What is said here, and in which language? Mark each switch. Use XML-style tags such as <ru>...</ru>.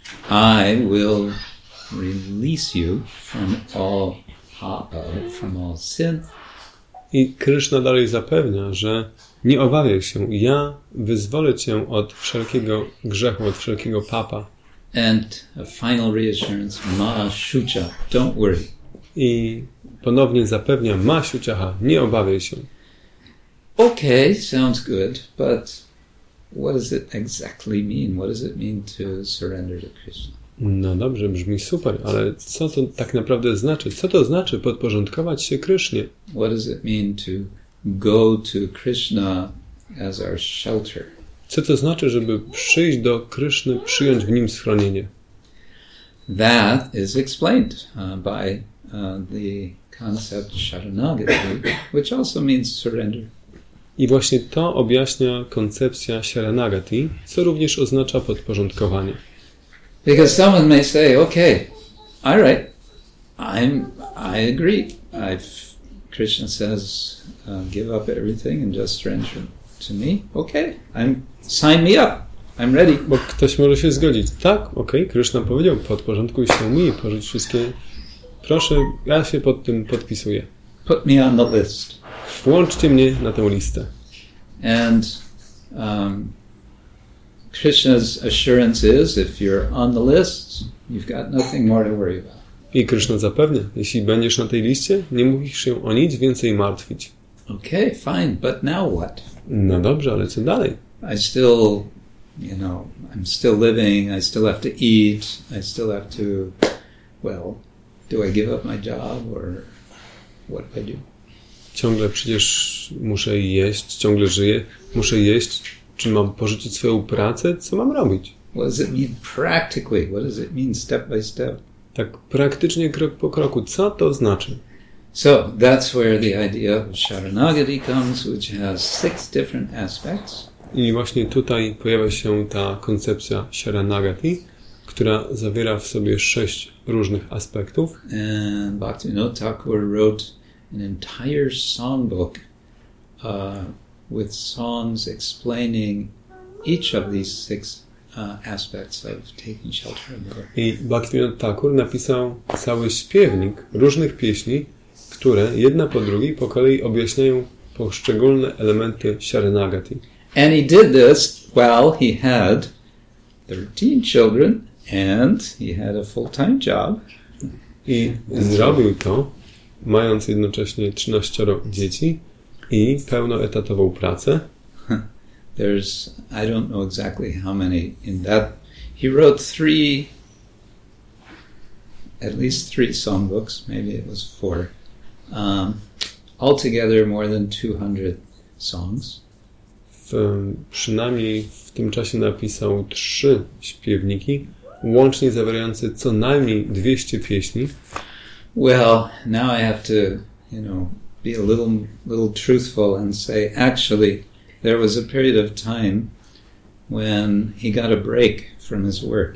<en>I will release you from all papa, from all sin.</en> <pl>I Krishna dalej zapewnia, że nie obawiaj się, ja wyzwolę cię od wszelkiego grzechu, od wszelkiego papa.</pl> <en>And a final reassurance, ma shucha, don't worry.</en> <pl>I ponownie zapewnia, ma shuchaha, nie obawiaj się.</pl> <en>Okay, sounds good, but what does it exactly mean? What does it mean to surrender to Krishna?</en> <pl>No dobrze, brzmi super, ale co to tak naprawdę znaczy? Co to znaczy podporządkować się Krishnie?</pl> <en>What does it mean to go to Krishna as our shelter?</en> <pl>Co to znaczy, żeby przyjść do Kryszny, przyjąć w Nim schronienie?</pl> <en>That is explained by the concept Sharanagati, which also means surrender.</en> <pl>I właśnie to objaśnia koncepcja Sharanagati, co również oznacza podporządkowanie.</pl> <en>Because someone may say, okay, all right, I agree. Krishna says, give up everything and just surrender to me. Okay, sign me up. I'm ready.</en> <pl>Bo ktoś może się zgodzić. Tak, okej, okay. Krishna powiedział, podporządkuj się mi, porzuć wszystkie. Proszę, ja się pod tym podpisuję.</pl> <en>Put me on the list.</en> <pl>Włączcie mnie na tę listę.</pl> <en>And Krishna's assurance is, if you're on the list, you've got nothing more to worry about.</en> <pl>I Krishna zapewnia, jeśli będziesz na tej liście, nie musisz się o nic więcej martwić.</pl> <en>Okay, fine, but now what?</en> <pl>No dobrze, ale co dalej?</pl> <en>I still, you know, I'm still living, I still have to eat, I still have to, well, do I give up my job or what do I do?</en> <pl>Ciągle przecież muszę jeść, ciągle żyję, muszę jeść, czy mam porzucić swoją pracę, co mam robić?</pl> <en>What does it mean practically? What does it mean step by step?</en> <pl>Tak praktycznie, krok po kroku, co to znaczy?</pl> <en>So, that's where the idea of Sharanagati comes, which has six different aspects.</en> <pl>I właśnie tutaj pojawia się ta koncepcja Sharanagati, która zawiera w sobie sześć różnych aspektów.</pl> <en>And Bhaktivinoda Thakur wrote an entire songbook with songs explaining each of these six aspects of taking shelter of the Lord.</en> <pl>I Bhaktivinoda Thakur napisał cały śpiewnik różnych pieśni, które jedna po drugiej po kolei objaśniają poszczególne elementy Sharanagati.</pl> <en>And he did this while he had 13 children and he had a full-time job.</en> <pl>I zrobił to, mając jednocześnie 13 dzieci i pełnoetatową pracę.</pl> <en>There's, I don't know exactly how many in that. He wrote at least three songbooks, maybe it was four. Altogether more than 200 songs.</en> <pl>Przynajmniej w tym czasie napisał trzy śpiewniki, łącznie zawierające co najmniej 200 pieśni.</pl> <en>Well, now I have to, you know, be a little truthful and say, actually, there was a period of time when he got a break from his work.</en>